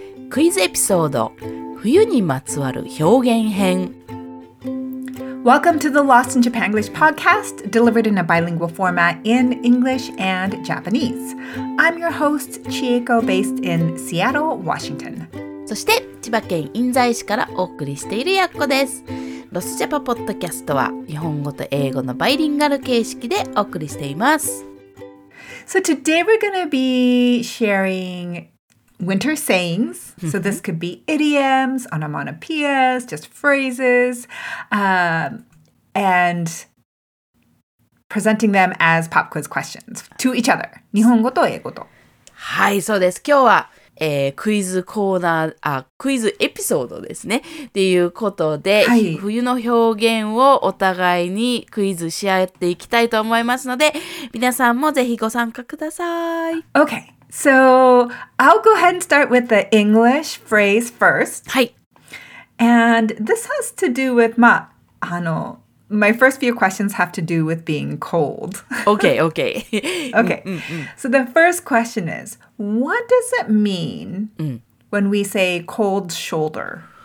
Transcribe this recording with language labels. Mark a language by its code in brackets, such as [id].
[ja] クイズエピソード冬にまつわる表現編 [en] Welcome to the Lost in Japan English podcast delivered in a bilingual format in English and Japanese. I'm your host, Chieko, based in Seattle, Washington. [ja] そして千葉県印西市からお送りしているやっこです。ロスジャパポッドキャストは日本語と英語のバイリンガル形式でお送りしています。 [en] So today we're going to be sharing winter sayings. So this could be idioms, onomatopoeias, just phrases, and presenting them as pop quiz questions to each other. [ja] 日本語と英語と。はい、そうです。今日は、クイズコーナー、あ、クイズエピソードですね。ということで、はい、冬の表現をお互いにクイズし合っていきたいと思いますので、皆さんもぜひご参加ください。 [en] Okay, so I'll go ahead and start with the English phrase first. [ja] はい。 [en] And this has to do with, [ja] まあ、あの、 [en] my first few questions have to do with being cold. Okay, okay. okay. Mm, mm, mm. So the first question is, what does it mean when we say cold shoulder?